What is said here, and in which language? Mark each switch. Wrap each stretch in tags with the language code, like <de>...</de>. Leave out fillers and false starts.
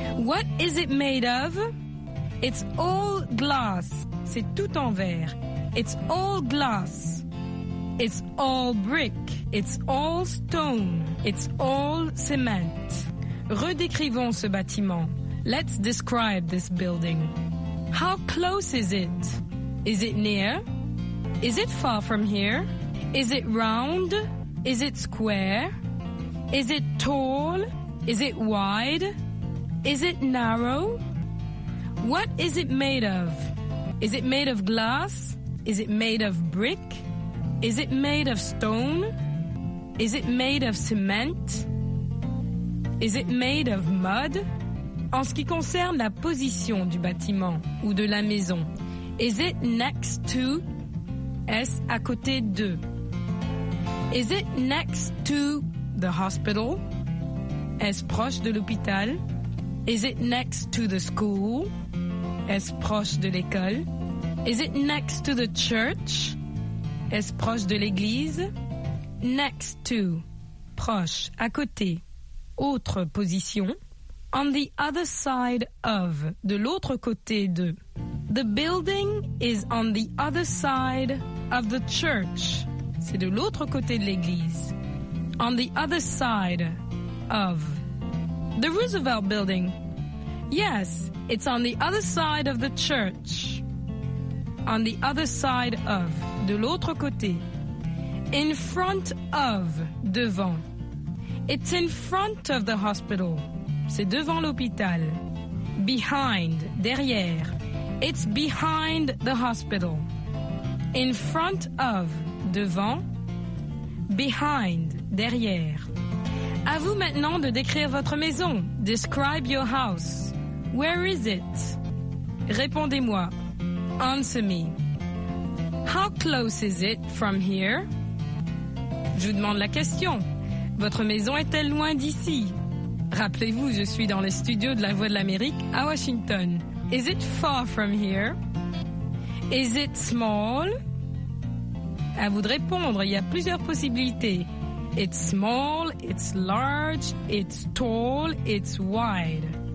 <en>What is it made of? It's all glass.</en> <fr>C'est tout en verre.</fr> <en>It's all glass. It's all brick. It's all stone. It's all cement.</en> <fr>Redécrivons ce bâtiment.</fr> <en>Let's describe this building. How close is it? Is it near? Is it far from here? Is it round? Is it square? Is it tall? Is it wide? Is it narrow? What is it made of? Is it made of glass? Is it made of brick? Is it made of stone? Is it made of cement? Is it made of mud?</en> <fr>En ce qui concerne la position du bâtiment ou de la maison,</fr> <en>is it next to?</en> <fr>Est-ce à côté de?</fr> <en>Is it next to the hospital?</en> <fr>Est-ce proche de l'hôpital?</fr> <en>Is it next to the school?</en> <fr>Est-ce proche de l'école?</fr> <en>Is it next to the church?</en> <fr>Est-ce proche de l'église? Next to, proche, à côté. Autre position.</fr> <en>On the other side of,</en> <fr>de l'autre côté de.</fr> <en>The building is on the other side of the church.</en> <fr>C'est de l'autre côté de l'église.</fr> <en>On the other side of. The Roosevelt building. Yes, it's on the other side of the church. On the other side of,</en> <fr>de l'autre côté.</fr> <en>In front of, devant. It's in front of the hospital.</en> <fr>C'est devant l'hôpital.</fr> <en>Behind, derrière. It's behind the hospital. In front of, devant. Behind, derrière.</en> <fr>À vous maintenant de décrire votre maison.</fr> <en>Describe your house. Where is it?</en> <fr>Répondez-moi.</fr> <en>Answer me. How close is it from here?</en> <fr>Je vous demande la question. Votre maison est-elle loin d'ici? Rappelez-vous, je suis dans les studios de la Voix de l'Amérique à Washington.</fr> <en>Is it far from here? Is it small?</en> <fr>À vous de répondre, il y a plusieurs possibilités.</fr> <en>It's small, it's large, it's tall, it's wide.</en>